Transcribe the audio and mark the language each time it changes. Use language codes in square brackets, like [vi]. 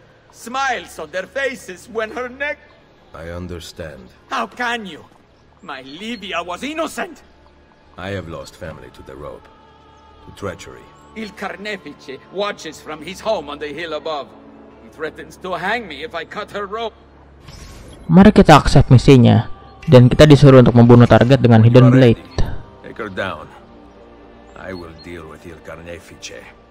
[en] Smiles on their faces when her neck... I understand. How can you? My Livia was innocent. I have lost family to the rope, to treachery. Il Carnefice watches from his home on the hill above. He threatens to hang me if I cut her rope. [id] Mari kita accept misinya, dan kita disuruh untuk membunuh target dengan Hidden Blade. [en] Take her down. I will deal with Il Carnefice.